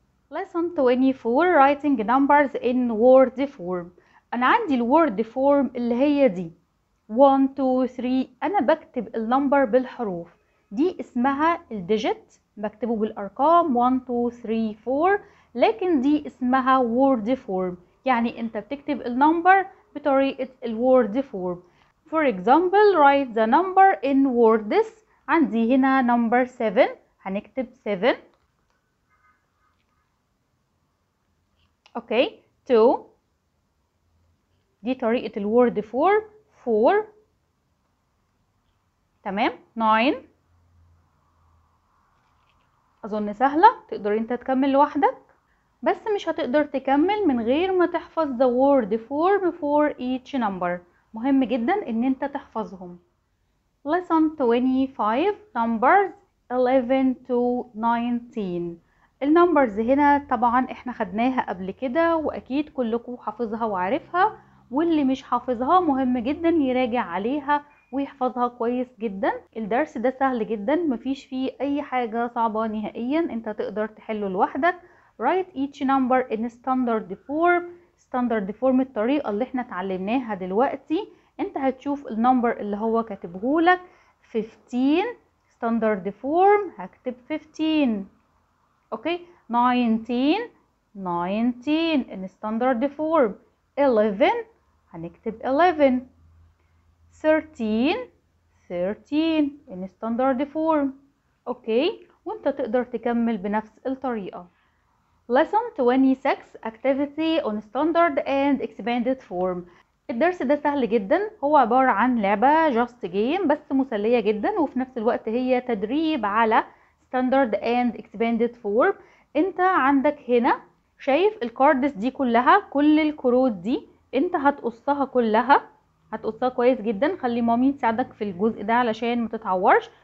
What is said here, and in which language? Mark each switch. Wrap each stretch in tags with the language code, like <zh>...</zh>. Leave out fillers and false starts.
<en>Lesson 24 writing numbers in word form.</en> <ar>انا عندي الword form اللي هي دي 1 2 3، انا بكتب النمبر بالحروف، دي اسمها الديجيت، بكتبه بالارقام 1 2 3 4، لكن دي اسمها word form، يعني انت بتكتب النمبر بطريقة الword form.</ar> <en>For example write the number in words.</en> <ar>عندي هنا number 7، هنكتب 7 okay 2، دي طريقة الword form 4 تمام 9، اظن سهلة تقدر انت تكمل لوحدك، بس مش هتقدر تكمل من غير ما تحفظ</ar> <en>the word form for each number،</en> <ar>مهم جدا ان انت تحفظهم.</ar> <en>Lesson 25 numbers 11 to 19.</en> <ar>النمبرز هنا طبعا احنا خدناها قبل كده واكيد كلكم حافظها وعارفها، واللي مش حافظها مهم جدا يراجع عليها ويحفظها كويس جدا. الدرس ده سهل جدا، مفيش فيه اي حاجة صعبة نهائيا، انت تقدر تحله لوحدك.</ar> <en>Write each number in standard form.</en> <ar>Standard form الطريقة اللي احنا تعلمناها دلوقتي، انت هتشوف النمبر اللي هو كاتبهولك 15 standard form هكتب 15 اوكي، 19</ar> <en>19 in standard form. 11 هنكتب 11. 13 13 in standard form.</en> <ar>اوكي، وانت تقدر تكمل بنفس الطريقة.</ar> <en>Lesson 26 activity on standard and expanded form.</en> <ar>الدرس ده سهل جدا، هو عبارة عن لعبة</ar> <en>just game</en> <ar>بس مسلية جدا، وفي نفس الوقت هي تدريب على standard and expanded form. انت عندك هنا شايف الكاردز دي كلها، كل الكروت دي انت هتقصها كلها، هتقصها كويس جدا، خلي مامي تساعدك في الجزء ده علشان متتعورش.</ar>